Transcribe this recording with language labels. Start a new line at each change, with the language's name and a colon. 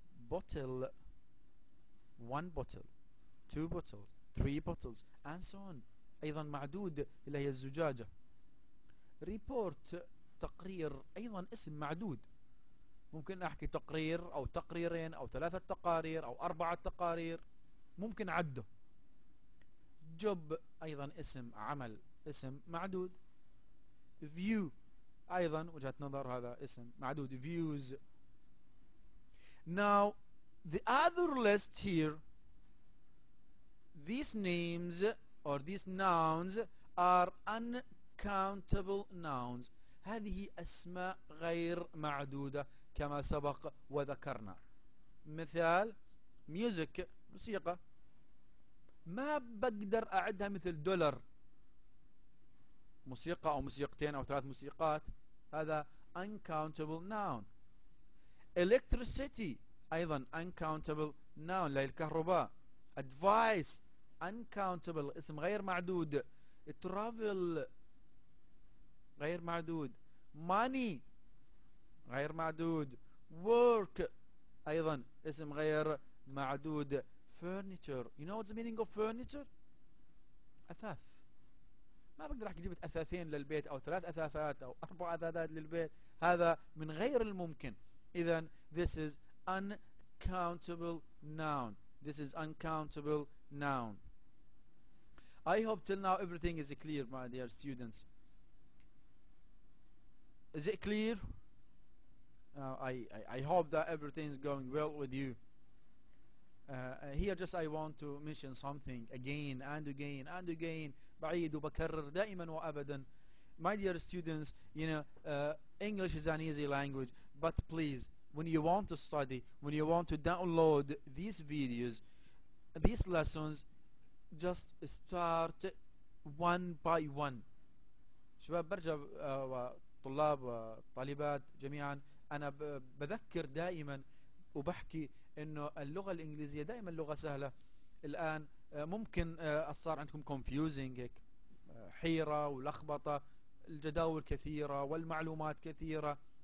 English: bottle, one bottle, two bottles, three bottles and so on.
Arabic: أيضا معدود اللي هي الزجاجة. report تقرير أيضا اسم معدود، ممكن أحكي تقرير أو تقريرين أو ثلاثة تقارير أو أربعة تقارير، ممكن عده. job أيضا اسم عمل، اسم معدود. view أيضا وجهة نظر، هذا اسم معدود.
English: views. now the other list here, these names or these nouns are uncountable nouns.
Arabic: هذه أسماء غير معدودة كما سبق وذكرنا. مثال music، موسيقى، ما بقدر أعدها مثل دولار، موسيقى أو موسيقتين أو ثلاث موسيقات، هذا uncountable noun. electricity أيضا uncountable noun، لا الكهرباء. advice uncountable، اسم غير معدود. travel غير معدود. money غير معدود. work أيضا اسم غير معدود.
English: furniture، you know what's the meaning of furniture؟ أثاث.
Arabic: ما بقدر أحكي جبت أثاثين للبيت أو ثلاث أثاثات أو أربع أثاثات للبيت، هذا من غير الممكن.
English: إذن this is uncountable noun. This is uncountable noun. I hope till now everything is clear, my dear students. Is it clear? I hope that everything is going well with you. Here just I want to mention something again and again and again.
Arabic: بعيد وبكرر دائما وأبدا.
English: My dear students, you know, English is an easy language, but please, when you want to study, when you want to download these videos, these lessons, just start one by one.
Arabic: شباب برجع وطلاب وطالبات جميعا، أنا بذكر دائما وبحكي إنه اللغة الإنجليزية دائما لغة سهلة. الآن ممكن صار عندكم confusing، حيرة ولخبطة، الجداول كثيرة والمعلومات كثيرة.